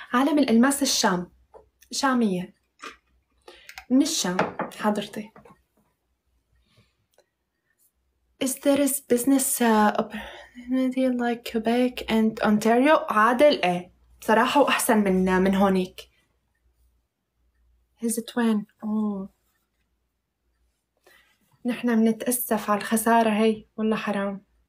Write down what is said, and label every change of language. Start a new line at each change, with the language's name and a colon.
Arabic: عالم الألماس الشام، شامية من الشام حضرتي.
English: Is there a business opportunity like Quebec and Ontario؟
Arabic: عادل إيه صراحة، وأحسن من هونيك.
English: Is it when؟
Arabic: نحن منتأسف على الخسارة هاي، والله حرام.